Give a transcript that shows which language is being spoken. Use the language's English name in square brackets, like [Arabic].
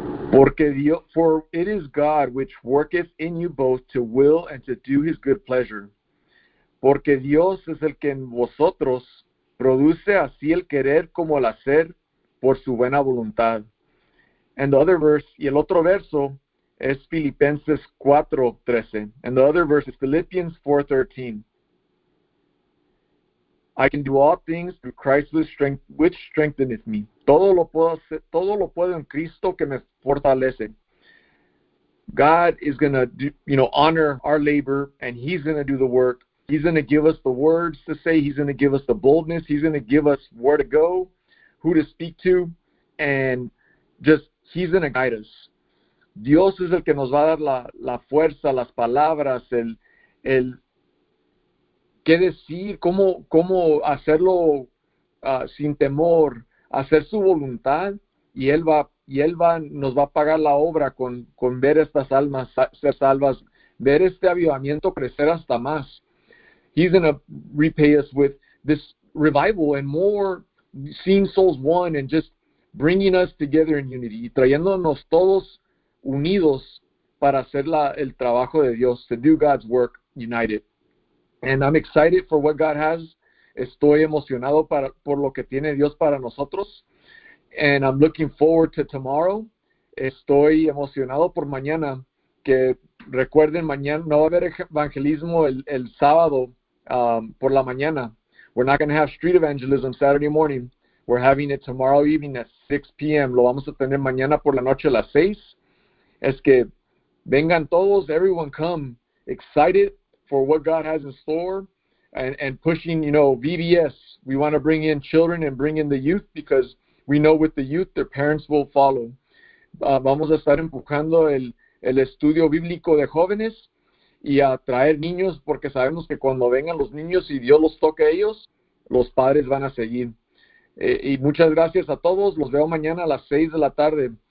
[Spanish] Porque Dios, [English] for it is God which worketh in you both to will and to do his good pleasure. [Spanish] Porque Dios es el que en vosotros produce así el querer como el hacer por su buena voluntad. [English] And the other verse, [Spanish] y el otro verso es Filipenses 4:13. [English] And the other verse is Philippians 4:13. I can do all things through Christ which strengtheneth me. [Spanish] Todo lo puedo hacer, todo lo puedo en Cristo que me fortalece. [English] God is going to do, you know, honor our labor and he's going to do the work. He's going to give us the words to say. He's going to give us the boldness. He's going to give us where to go, who to speak to, and just he's going to guide us. [Spanish] Dios es el que nos va a dar la fuerza, las palabras, el qué decir, cómo hacerlo sin temor, hacer su voluntad, y él va nos va a pagar la obra con ver estas almas ser salvas, ver este avivamiento crecer hasta más. [English] He's going to repay us with this revival and more seeing souls one and just bringing us together in unity [Spanish] y trayéndonos todos unidos para hacer el trabajo de Dios, [English] to do God's work united. And I'm excited for what God has. [Spanish] Estoy emocionado por lo que tiene Dios para nosotros. [English] And I'm looking forward to tomorrow. [Spanish] Estoy emocionado por mañana. Que recuerden, mañana no va a haber evangelismo el sábado. Por la mañana. [English] We're not going to have street evangelism Saturday morning. We're having it tomorrow evening at 6 p.m. [Spanish] Lo vamos a tener mañana por la noche a las 6. Es que vengan todos, [English] everyone come, excited for what God has in store and pushing, you know, VBS. We want to bring in children and bring in the youth because we know with the youth, their parents will follow. [Spanish] Vamos a estar empujando el estudio bíblico de jóvenes. Y a traer niños, porque sabemos que cuando vengan los niños y Dios los toque a ellos, los padres van a seguir. Y muchas gracias a todos. Los veo mañana a las 6 de la tarde.